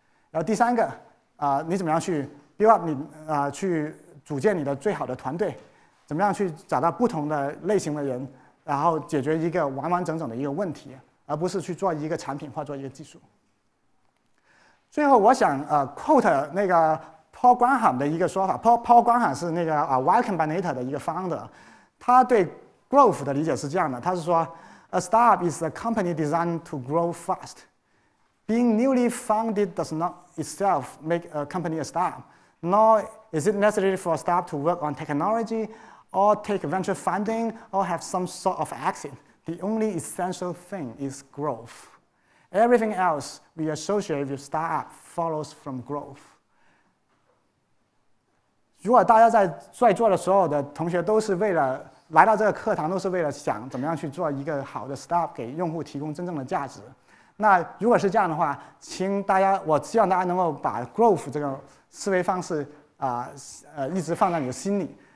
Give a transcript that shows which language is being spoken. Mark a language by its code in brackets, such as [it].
[zh] 然后第三个你怎么样去 [en] build up [zh] 你去组建你的最好的团队，怎么样去找到不同的类型的人，然后解决一个完完整整的一个问题，而不是去做一个产品或做一个技术。最后我想quote 那个 Paul Graham 的一个说法。 Paul Graham 是那个Y Combinator 的一个 founder， 他对 growth 的理解是这样的，他是说 [en] A startup is a company designed to grow fast. Being newly founded does not itself make a company a startup, nor is it necessary for a startup to work on technologyor take venture funding or have some sort of exit. The only essential thing is growth. Everything else we associate with startup follows from growth. [zh] 如果大家在座的所有的同学都是为了来到这个课堂，都是为了想怎么样去做一个好的 startup， 给用户提供真正的价值，那如果是这样的话，请大家，我希望大家能够把 growth 这个思维方式一直放在你的心里。